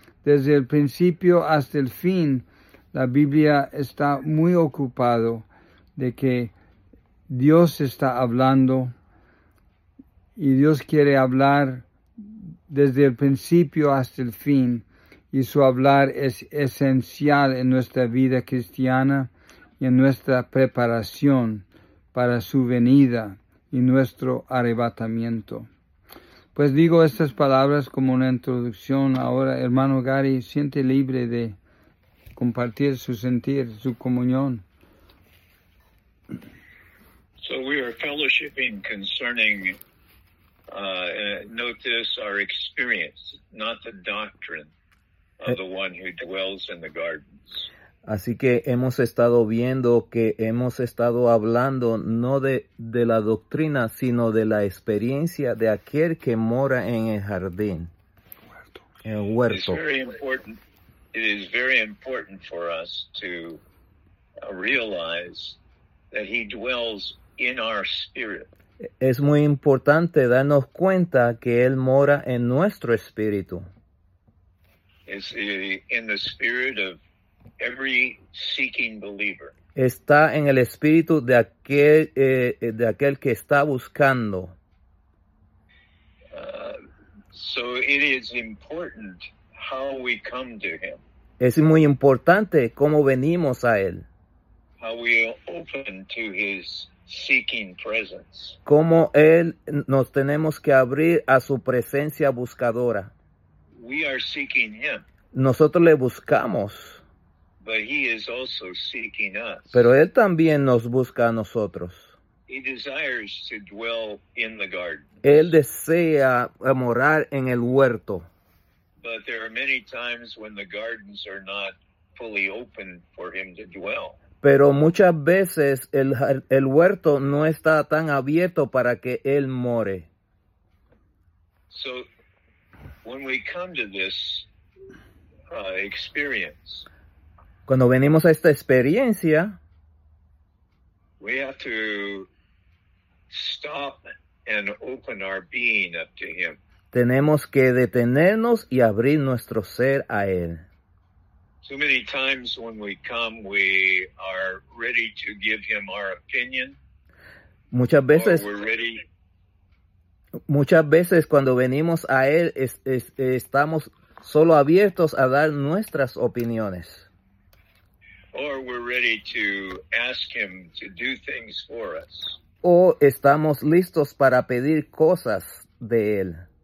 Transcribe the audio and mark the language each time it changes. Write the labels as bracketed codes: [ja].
[es] Desde el principio hasta el fin, la Biblia está muy ocupado de que Dios está hablando y Dios quiere hablar desde el principio hasta el fin, y su hablar es esencial en nuestra vida cristiana y en nuestra preparación para su venida y nuestro arrebatamiento. Pues digo estas palabras como una introducción. Ahora, hermano Gary, siente libre de compartir su sentir, su comunión. [en] So we are fellowshipping concerning, note this, our experience, not the doctrine of the one who dwells in the gardens. [es] Así que hemos estado viendo que hemos estado hablando no de la doctrina, sino de la experiencia de aquel que mora en el jardín, en el huerto. [en] It is very important for us to realize that he dwells in our spirit. [es] Es muy importante darnos cuenta que él mora en nuestro espíritu. [en] Is in the spirit of every seeking believer. [es] Está en el espíritu de aquel que está buscando. [en] So it is important how we come to him. [es] Es muy importante cómo venimos a él. [en] How we open to his seeking presence. [es] Cómo él nos tenemos que abrir a su presencia buscadora. [en] We are seeking him. [es] Nosotros le buscamos. [en] But he is also seeking us. [es] Pero él también nos busca a nosotros. [en] He desires to dwell in the garden. [es] Él desea morar en el huerto. [en] But there are many times when the gardens are not fully open for him to dwell. [es] Pero muchas veces el huerto no está tan abierto para que él more. [en] So when we come to this experience, [es] cuando venimos a esta experiencia, [en] we have to stop and open our being up to him. [es] Tenemos que detenernos y abrir nuestro ser a él. [en] Too many times when we come, we are ready to give him our opinion. [es] Muchas veces, [en] or we're ready. [es] Muchas veces cuando venimos a él, estamos solo abiertos a dar nuestras opiniones. [en] Or we're ready to ask him to do things for us. [es] O estamos listos para pedir cosas de él.